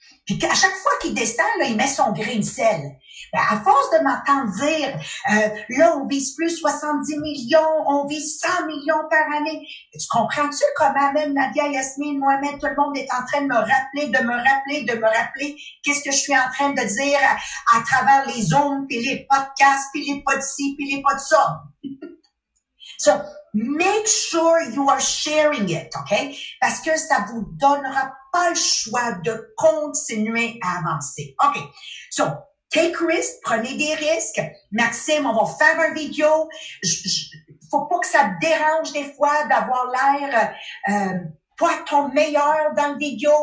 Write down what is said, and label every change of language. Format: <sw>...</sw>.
<fr>Puis à chaque fois qu'il descend, là, il met son grain de sel. Ben, à force de m'entendre dire, là, on vise plus 70 millions, on vise 100 millions par année. Tu comprends-tu comment même Nadia, Yasmine, Mohamed, tout le monde est en train de me rappeler, qu'est-ce que je suis en train de dire à travers les zooms, puis les podcasts, puis les pod-ci, puis les pod-ça.</fr> <en>So, make sure you are sharing it, OK?</en> <fr>Parce que ça vous donnera pas le choix de continuer à avancer.</fr> <en>OK, so, take risk,</en> <fr>prenez des risques. Maxime, on va faire un vidéo. Faut pas que ça te dérange des fois d'avoir l'air pas ton meilleur dans le vidéo.</fr>